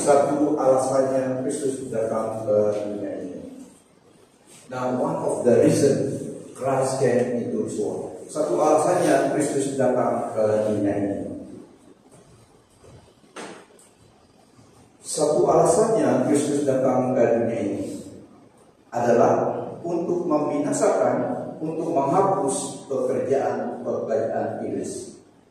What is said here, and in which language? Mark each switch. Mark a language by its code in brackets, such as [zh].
[id] satu alasannya Kristus datang ke dunia ini. [en] Now one of the reason Christ came into this world. [id] Satu alasannya Kristus datang ke dunia ini. Satu alasannya Kristus datang ke dunia ini adalah untuk membinasakan, untuk menghapus pekerjaan-pekerjaan iblis.